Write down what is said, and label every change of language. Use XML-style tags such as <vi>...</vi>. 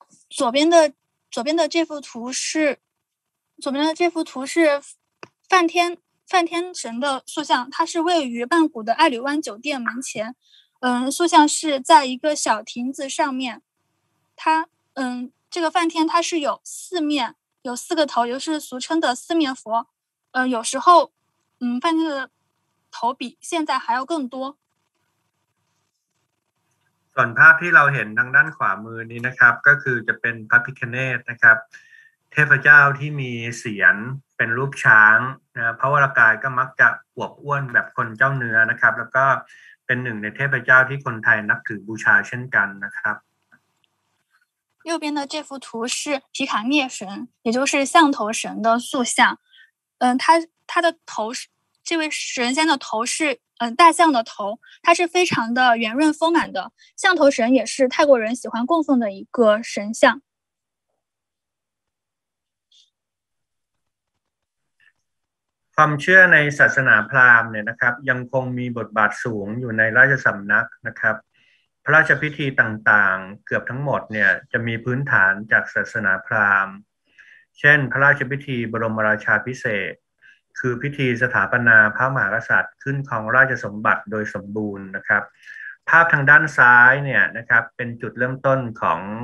<zh>左边的这幅图是左边的这幅图是梵天神的塑像它是位于曼谷的爱侣湾酒店门前塑像是在一个小亭子上面它这个梵天它是有四面有四个头，就是俗称的四面佛。有时候，梵天的头比现在还要更多。</zh> <th>ส่วนภาพที่เราเห็นทางด้านขวามือนี้นะครับก็คือจะเป็นพระพิฆเนศนะครับเทพเจ้าที่มีเสียรเป็นรูปช้างนะพระวรกายก็มักจะอวบอ้วนแบบคนเจ้าเนื้อนะครับแล้วก็เป็นหนึ่งในเทพเจ้าที่คนไทยนับถือบูชาเช่นกันนะครับ</th> <zh>右边的这幅图是皮卡涅神，也就是象头神的塑像。他的头是这位神仙的头是大象的头，它是非常的圆润丰满的。象头神也是泰国人喜欢供奉的一个神像。</zh> <th>ความเชื่อในศาสนาพราหมณ์เนี่ยนะครับยังคงมีบทบาทสูงอยู่ในราชสำนักนะครับพระราชพิธีต่างๆเกือบทั้งหมดเนี่ยจะมีพื้นฐานจากศาสนาพราหมณ์เช่นพระราชพิธีบรมราชาภิเษกคือพิธีสถาปนาพระมหากษัตริย์ขึ้นครองราชสมบัติโดยสมบูรณ์นะครับภาพทางด้านซ้ายเนี่ยนะครับเป็นจุดเริ่มต้นของ</th>